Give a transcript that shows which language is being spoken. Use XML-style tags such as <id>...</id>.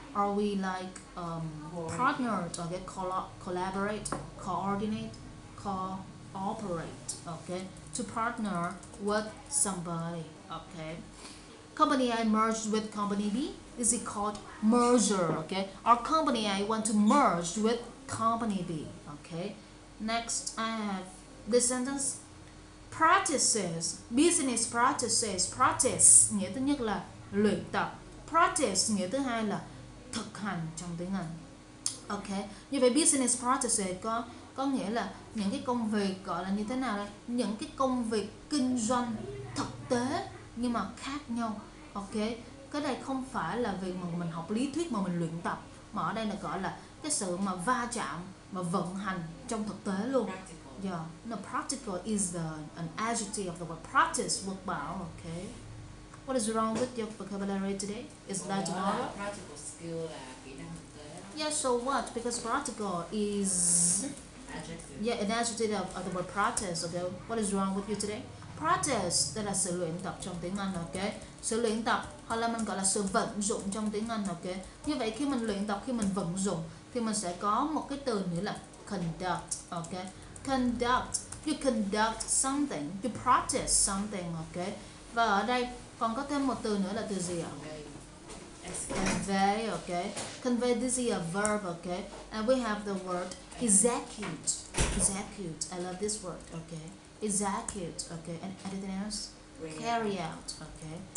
<en>Are we like partnered, okay? Collaborate, coordinate, cooperate, okay? To partner with somebody, okay? Company A merged with company B, this is called merger, okay? Or company A want to merge with company B, okay? Next, I have this sentence.</en> <vi>Practices, business practices, practice nghĩa thứ nhất là luyện tập, practice nghĩa thứ hai là thực hành trong tiếng Anh. Okay, như vậy business practices có nghĩa là những cái công việc gọi là như thế nào đây? Những cái công việc kinh doanh thực tế nhưng mà khác nhau. Okay, cái này không phải là việc mà mình học lý thuyết mà mình luyện tập, mà ở đây là gọi là cái sự mà va chạm và vận hành trong thực tế luôn.</vi> <en>Yeah, no, practical is an adjective of the word practice, work bao, okay? What is wrong with your vocabulary today? Is that wrong? Practical</en> <vi>skill là kỹ năng thực tế.</vi> <en>Yeah, so what? Because practical is an adjective of the word practice, okay? What is wrong with you today?</en> <vi>Practice, đây là sự luyện tập trong tiếng Anh, okay? Sự luyện tập, hoặc là mình gọi là sự vận dụng trong tiếng Anh, okay? Như vậy khi mình luyện tập, khi mình vận dụng, thì mình sẽ có một cái từ nghĩa là conduct, okay?</vi> <en>Conduct, you conduct something, you practice something, okay?</en> <vi>Và ở đây còn có thêm một từ nữa là từ gì ạ?</vi> <en>Convey, okay? Convey, this is a verb, okay? And we have the word execute. Execute, I love this word, okay? Execute, okay? And anything else? Carry out, okay?</en>